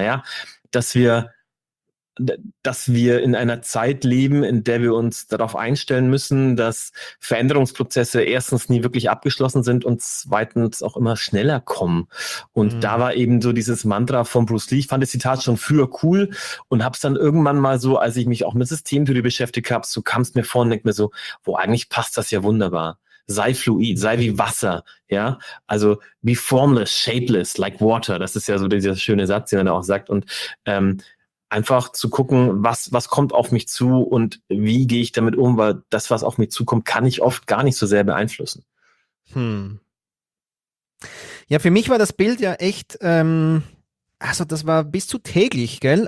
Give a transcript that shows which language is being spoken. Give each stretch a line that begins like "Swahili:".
German: Naja, dass wir in einer Zeit leben, in der wir uns darauf einstellen müssen, dass Veränderungsprozesse erstens nie wirklich abgeschlossen sind und zweitens auch immer schneller kommen. Und da war eben so dieses Mantra von Bruce Lee. Ich fand das Zitat schon früher cool und habe es dann irgendwann mal so, als ich mich auch mit Systemtheorie beschäftigt habe, so kam es mir vor und denk mir so, wo eigentlich passt das ja wunderbar. Sei fluid, sei wie Wasser, ja.
English: Also be formless, shapeless, like water.
German: Das ist ja so dieser schöne Satz, den er auch sagt. Und einfach zu gucken, was kommt auf mich zu und wie gehe ich damit um, weil das, was auf mich zukommt, kann ich oft gar nicht so sehr beeinflussen. Ja, für mich war das Bild ja echt, also das war bis zu täglich, gell?